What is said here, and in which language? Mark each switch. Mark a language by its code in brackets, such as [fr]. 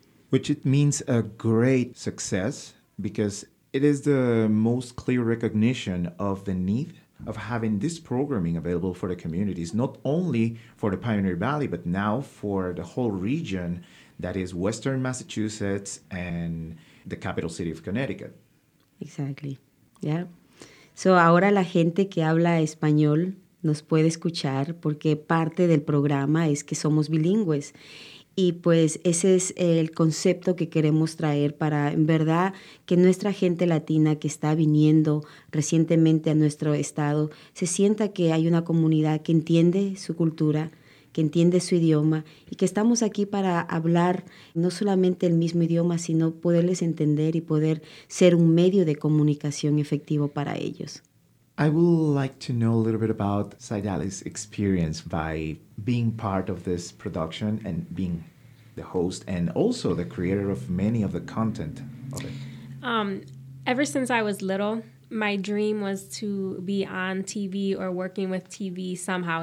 [en] Which it means a great success, because it is the most clear recognition of the need of having this programming available for the communities, not only for the Pioneer Valley, but now for the whole region, that is Western Massachusetts and the capital city of Connecticut. Exactly, yeah. [es] So ahora la gente que habla español nos puede escuchar, porque parte del programa es que somos bilingües. Y pues ese es el concepto que queremos traer para, en verdad, que nuestra gente latina que está viniendo recientemente a nuestro estado se sienta que hay una comunidad que entiende su cultura, que entiende su idioma, y que estamos aquí para hablar no solamente el mismo idioma, sino poderles entender y poder ser un medio de comunicación efectivo para ellos. [en] I would like to know a little bit about Zydalis' experience by being part of this production and being the host and also the creator of many of the content of it. Ever since I was little, my dream was to be on TV or working with TV somehow.